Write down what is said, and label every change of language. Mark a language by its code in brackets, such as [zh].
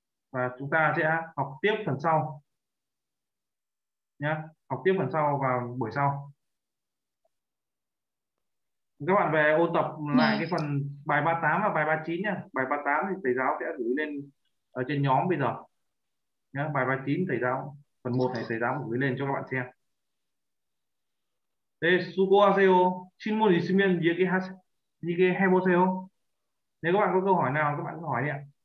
[vi] Và chúng ta sẽ học tiếp phần sau. Nhá, học tiếp phần sau vào buổi sau. Các bạn về ôn tập lại cái phần bài 38 và bài 39 nhá. Bài 38 thì thầy giáo sẽ gửi lên ở trên nhóm bây giờ. Nhá, bài 39 thầy giáo phần 1 này thầy giáo gửi lên cho các bạn xem. [ko] 네, 수고하세요. 질문 있으면 얘기해 보세요. [vi] Nếu các bạn có câu hỏi nào, các bạn cứ hỏi đi ạ.